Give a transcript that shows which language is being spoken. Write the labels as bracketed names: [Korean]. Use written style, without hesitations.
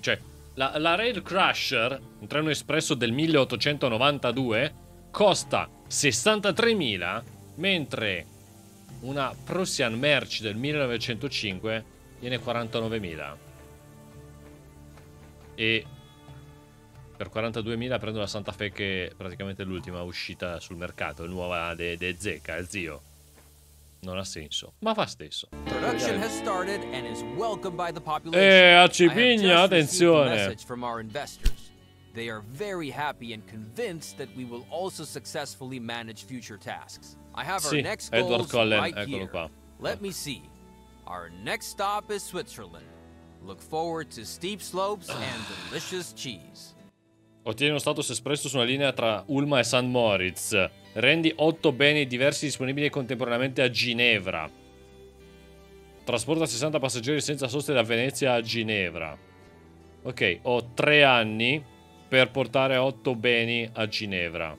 [Italian] Cioè, la Rail Crusher, un treno espresso del 1892, costa 63.000, mentre una Prussian Merch del 1905 viene 49.000. E per 42.000 prendo la Santa Fe, che è praticamente l'ultima uscita sul mercato, nuova de Zecca, il zio. Non ha senso, ma fa stesso. [English] Production has started and is welcomed by the population. [Italian] Acipigna, attenzione. [English] Message from our investors. They are very happy and convinced that we will also successfully manage future tasks. I have our next Edward Cullen, [Italian] eccolo qua. [English] Let me see. Our next stop is Switzerland. Look forward to steep slopes and delicious cheese. [Italian] Ottieni uno status espresso su una linea tra Ulma e St. Moritz. Rendi 8 beni diversi disponibili contemporaneamente a Ginevra. Trasporta 60 passeggeri senza soste da Venezia a Ginevra. Ok, ho 3 anni per portare 8 beni a Ginevra.